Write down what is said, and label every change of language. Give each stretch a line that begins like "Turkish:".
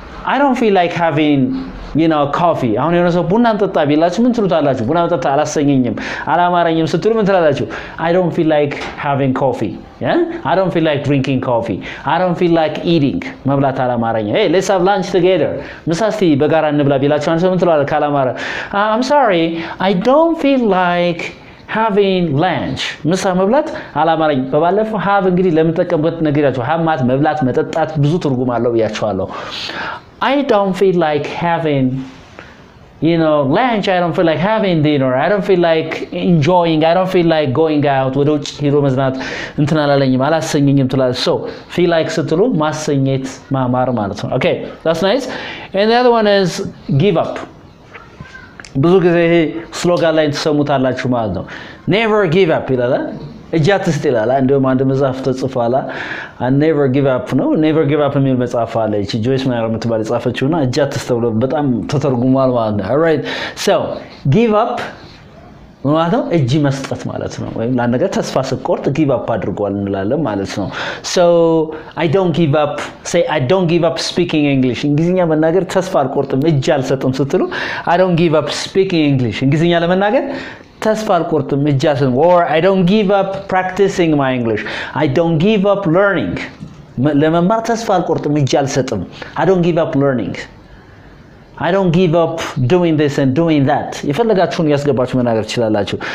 English: I don't feel like having, you know, coffee.
Amharic: አሁን የሆነ ሰው ቡና እንጠጣ ቢላችሁ ምን ትሉታላችሁ? ቡና መጠጣ አላሰኘኝም አላማረኝም ስትሉ ምን ትላላችሁ?
English: I don't feel like having coffee. Yeah? I don't feel like drinking coffee. I don't feel like eating.
Amharic: መብላት አላማረኝ.
English: Hey, let's have lunch together.
Amharic: ምሳስቲ በጋራ እንብላ ቢላችሁ አንተ ምን ትላለህ?
English: ካላማረ I'm sorry, I don't feel like having lunch.
Amharic: ምሳ መብላት አላማረኝ. በባለፈው have እንግዲህ ለምጠቀምበት ነገራችሁ ሀማት መብላት መጠጣት ብዙ ትርጉም አለው ብያችኋለሁ.
English: I don't feel like having, you know, lunch. I don't feel like having dinner. I don't feel like enjoying. I don't feel like going out.
Amharic: ወደ ውጭ ሄዶ መዝናናት እንትና አላለኝም አላሰኘኝም ትላለህ. So feel like ስትሉ ማሰኘት ማማር ማለት ነው.
English: Okay, that's nice. And the other one is give up.
Amharic: ብዙ ጊዜ ይሄ ስሎጋን ላይ ትሰሙታላችሁ ማለት ነው.
English: Never give up ይላል.
Amharic: እጃት ስትላላ እንደውም አንድ መጽሐፍ ተጽፏላ
English: and never give up. No, never give up
Amharic: የሚል መጽሐፍ አለ. እቺ ጆይስ ማየር የምትባል ጻፈችውና እጃት ተስተውሎ በጣም ተተርጉሟል ማለት ነው.
English: All right.
Amharic: So, give up ማለት ነው እጅ መስጠት ማለት ነው. ወይ ላን ነገር ተስፋ ስቆርጥ give up አድርጓል እንላለን ማለት ነው.
English: So, I don't give up speaking English.
Amharic: እንግሊዝኛ መናገር ተስፋ አልቆርጥም እጅ አልሰጥም ስትሉ
English: I don't give up speaking English.
Amharic: እንግሊዝኛ ለመናገር ተስፋ አልቆርጥም እጅ አልሰጥም.
English: Or I don't give up practicing my English. I don't give up learning.
Amharic: ለመማር ተስፋ አልቆርጥም እጅ አልሰጥም.
English: I don't give up learning. I don't give up doing this and doing that.
Amharic: ይፈልጋችሁን ያስገባችሁ መናገር ትችላላችሁ.